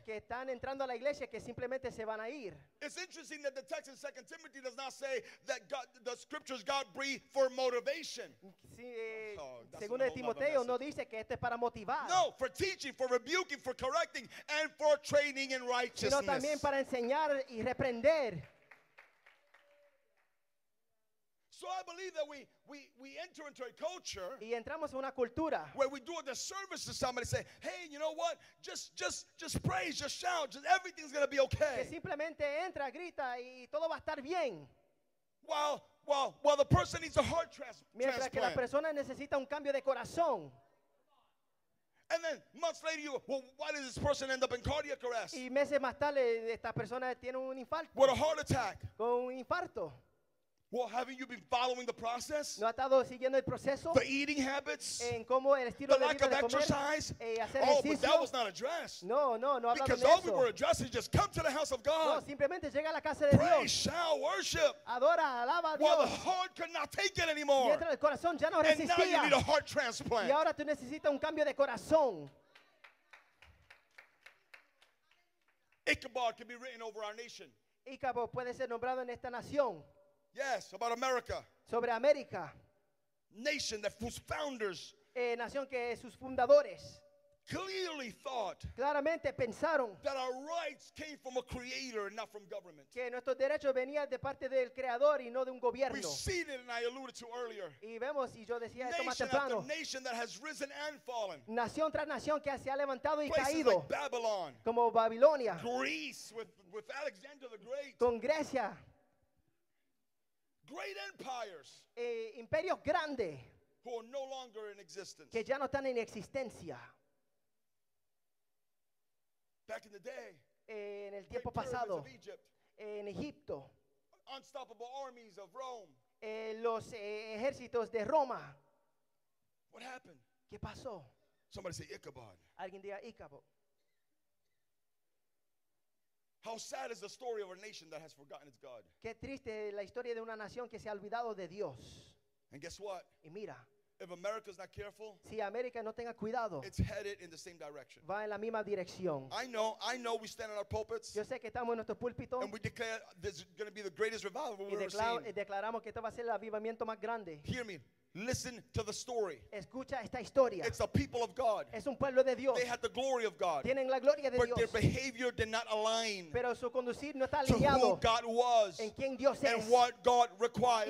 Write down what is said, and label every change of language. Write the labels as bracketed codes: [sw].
[es] Que están entrando a la iglesia que simplemente se van a ir. [en] It's interesting that the text in 2 Timothy does not say that God, the scriptures God breathed for motivation. [es] Sí, según de Timoteo no dice que este es para motivar. [en] No, for teaching, for rebuking, for correcting, and for training in righteousness. [es] Sino también para enseñar y reprender. [en] So I believe that we enter into a culture. [es] Y entramos en una cultura. [en] Where we do a disservice to somebody, say, hey, you know what? Just praise, just shout, just everything's going to be okay. [es] Que simplemente entra, grita y todo va a estar bien. [en] While the person needs a heart transplant. [es] Mientras que la persona necesita un cambio de corazón. [en] And then months later, why does this person end up in cardiac arrest? [es] Y meses más tarde, esta persona tiene un infarto. [en] With a heart attack. [es] Con un infarto. [en] Well, haven't you been following the process? [es] ¿No has estado siguiendo el proceso? [en] The eating habits? [es] En cómo el estilo [en] the lack [es] de vida [en] of exercise? [es] Hacer oh, ejercicio? [en] But that was not addressed. [es] No [en] because all [es] eso. [en] We were addressing is just come to the house of God. [es] No, simplemente llega a la casa de [en] pray, [es] Dios. [en] Shout, worship. [es] Adora, alaba a Dios. [en] Well, the heart could not take it anymore. [es] Mientras el corazón ya no resistía. [en] And now you need a heart transplant. [es] Y ahora tú necesitas un cambio de corazón. [en] Ichabod can be written over our nation. [es] Ichabod puede ser nombrado en esta nación. [en] Yes, about America. [es] Sobre América. [en] Nation that whose founders. [es] Nación que sus fundadores. [en] Clearly thought. [es] Claramente pensaron. [en] That our rights came from a creator, not from government. [es] Que nuestros derechos venían de parte del creador y no de un gobierno. [en] We've seen it, and I alluded to earlier. [es] Y vemos y yo decía esto más temprano. [en] Nation after nation that has risen and fallen. [es] Nación tras nación que se ha levantado y [en] places [es] caído. [en] Like Babylon. [es] Como Babilonia. [en] Greece with Alexander the Great. [es] Con Grecia. [en] Great empires, [es] imperios grandes, [en] who are no longer in existence. [es] Que ya no están en existencia. [en] Back in the day, [es] en el tiempo pasado, [en] of Egypt, [es] en Egipto, [en] unstoppable armies of Rome, [es] los ejércitos de Roma. [en] What happened? [es] ¿Qué pasó? [en] Somebody say Ichabod. [es] Alguien diga Ichabod. [en] How sad is the story of a nation that has forgotten its God. [es] Qué triste la historia de una nación que se ha olvidado de Dios. [en] And guess what? [es] Y mira. [en] If America is not careful. [es] Si América no tenga cuidado. [en] It's headed in the same direction. [es] Va en la misma dirección. [en] I know we stand in our pulpits. [es] Yo sé que estamos en nuestros púlpitos. [en] And we declare this is going to be the greatest revival we've ever seen. [es] Declaramos que esto va a ser el avivamiento más grande. [en] Hear me. Listen to the story. [es] Escucha esta historia. [en] It's a people of God. [es] Es un pueblo de Dios. [en] They had the glory of God. [es] Tienen la gloria de [en] but [es] Dios. [en] Their behavior did not align [es] pero su conducir no está [en] to who God was [es] en quien Dios [en] and [es] es. [en] What God required.